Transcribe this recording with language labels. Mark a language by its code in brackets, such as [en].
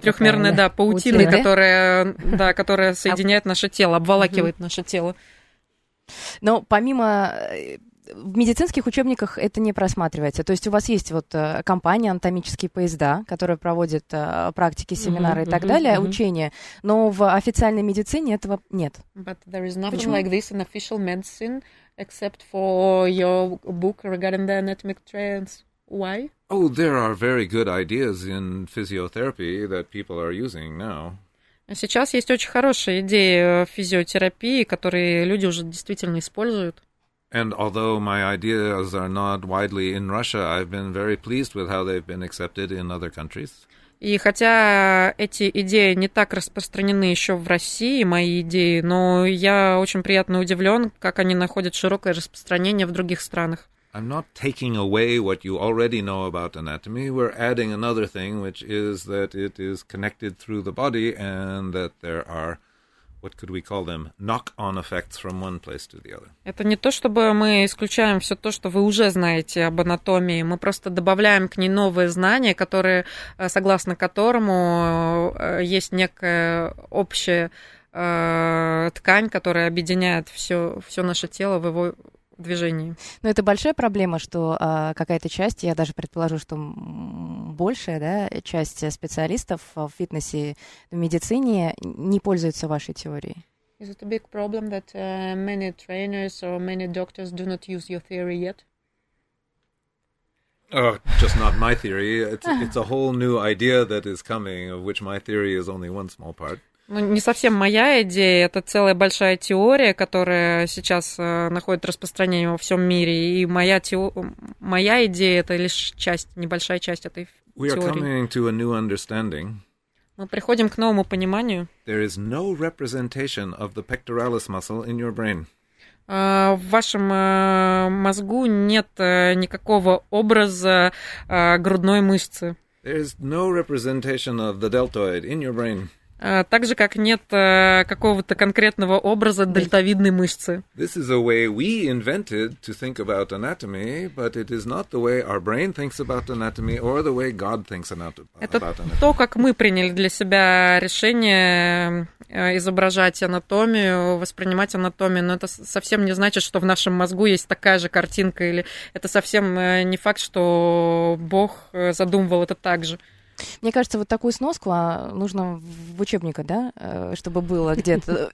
[ru] Трехмерная, да, паутина, которая соединяет наше тело, обволакивает наше тело. Но помимо в медицинских учебниках это не просматривается. То есть у вас есть вот компания «Анатомические поезда», которая проводит практики, семинары и так далее, учения, но в официальной медицине этого нет. [en] But there is nothing [ru] Почему? [en] Like this in official medicine, except for your book regarding the anatomic trends. Why? Oh, there are very good ideas in physiotherapy that people are using now. [ru] Сейчас есть очень хорошие идеи физиотерапии, которые люди уже действительно используют. [en] And although my ideas are not widely in Russia, I've been very pleased with how they've been accepted in other countries. [ru] И хотя эти идеи не так распространены еще в России, мои идеи, но я очень приятно удивлен, как они находят широкое распространение в других странах. [en] I'm not taking away what you already know about anatomy. We're adding another thing, which is that it is connected through the body and that there are what could we call them, knock-on effects from one place to the other. [ru] Это не то, чтобы мы исключаем все то, что вы уже знаете об анатомии. Мы просто добавляем к ней новые знания, которые, согласно которому есть некая общая ткань, которая объединяет все наше тело в его движении. Но это большая проблема, что какая-то часть, я даже предположу, что большая, да, часть специалистов в фитнесе, в медицине не пользуются вашей теорией. [en] Is it a big problem that many trainers or many doctors do not use your theory yet? Just not my theory. It's a whole new idea that is coming, of which my theory is only one small part. [ru] Ну, не совсем моя идея, это целая большая теория, которая сейчас находит распространение во всем мире, и моя идея — это лишь часть, небольшая часть этой [en] We [ru] теории. [en] Are coming to a new understanding. [ru] Мы приходим к новому пониманию. [en] There is no representation of the pectoralis muscle in your brain. [ru] В вашем мозгу нет никакого образа грудной мышцы. [en] There is no representation of the deltoid in your brain. [ru] Так же, как нет какого-то конкретного образа дельтовидной мышцы. [en] This is a way we invented to think about anatomy, but it is not the way our brain thinks about anatomy or the way God thinks about anatomy. [ru] Это то, как мы приняли для себя решение изображать анатомию, воспринимать анатомию, но это совсем не значит, что в нашем мозгу есть такая же картинка, или это совсем не факт, что Бог задумывал это так же. Мне кажется, вот такую сноску нужно в учебнике, да, чтобы было где-то.